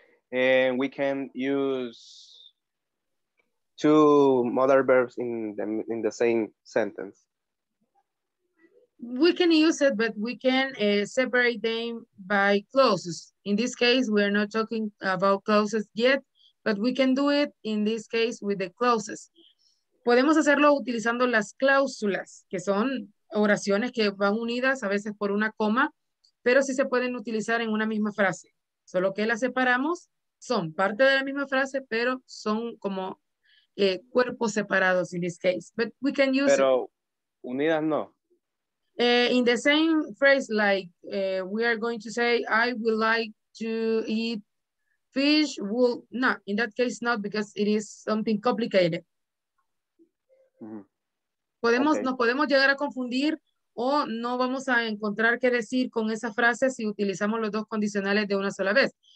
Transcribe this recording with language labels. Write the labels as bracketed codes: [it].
[en] And we can use 2 modal verbs in the same sentence. We can use it, but we can separate them by clauses. In this case, we are not talking about clauses yet, but we can do it in this case with the clauses. [es] Podemos hacerlo utilizando las cláusulas, que son oraciones que van unidas a veces por una coma, pero sí se pueden utilizar en una misma frase. Solo que las separamos, son parte de la misma frase, pero son como cuerpos separados [en] in this case. But we can use [es] pero unidas no. [en] In the same phrase, like we are going to say, I would like to eat fish. Well, no, in that case, not because it is something complicated. Mm-hmm. [es] Podemos, okay. Nos podemos llegar a confundir o no vamos a encontrar qué decir con esa frase si utilizamos los 2 condicionales de una sola vez.